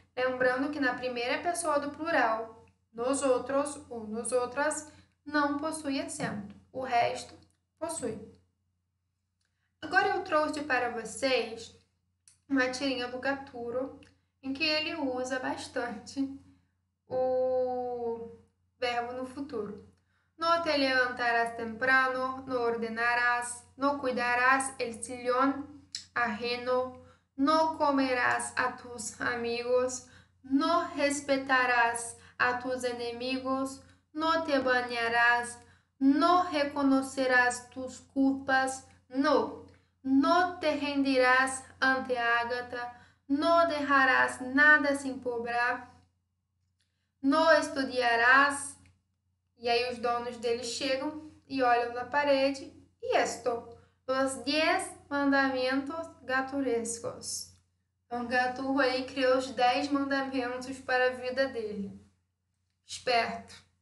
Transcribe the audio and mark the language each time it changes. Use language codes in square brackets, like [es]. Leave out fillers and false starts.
[pt] Lembrando que na primeira pessoa do plural, nós outros ou nós outras, não possui acento, o resto possui. Agora eu trouxe para vocês uma tirinha do Gaturo em que ele usa bastante o verbo no futuro. [es] No te levantarás temprano, no ordenarás, no cuidarás el sillón ajeno, no comerás a tus amigos, no respetarás a tus enemigos. No te banharás, no reconocerás tus culpas, no. No te rendirás ante Ágata, no dejarás nada sin cobrar, no estudiarás. [pt] E aí os donos dele chegam e olham na parede. E esto, os 10 mandamentos gaturescos. Então, Gaturro aí criou os 10 mandamentos para a vida dele. Esperto.